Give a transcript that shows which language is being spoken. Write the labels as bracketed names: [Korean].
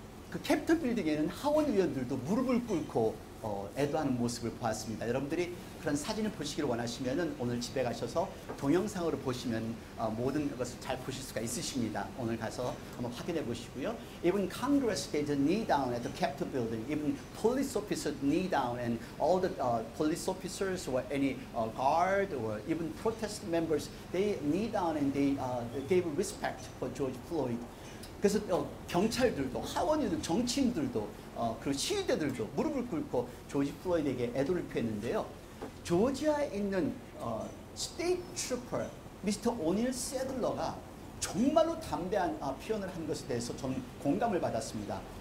[Korean] 그 캐피털 빌딩에는 하원 의원들도 무릎을 꿇고 애도하는 모습을 보았습니다. 여러분들이 그런 사진을 보시기를 원하시면은 오늘 집에 가셔서 동영상으로 보시면 모든 것을 잘 보실 수가 있으십니다. 오늘 가서 한번 확인해 보시고요. [English] Even Congress gave the knee down at the Capitol building. Even police officers knee down and all the police officers or any guard or even protest members they knee down and they gave respect for George Floyd. [Korean] 그래서 경찰들도 하원이도 정치인들도 그리고 시위대들도 무릎을 꿇고 조지 플로이드에게 애도를 표했는데요. 조지아에 있는 스테이트 트루퍼 미스터 오닐 세들러가 정말로 담대한 표현을 한 것에 대해서 좀 공감을 받았습니다.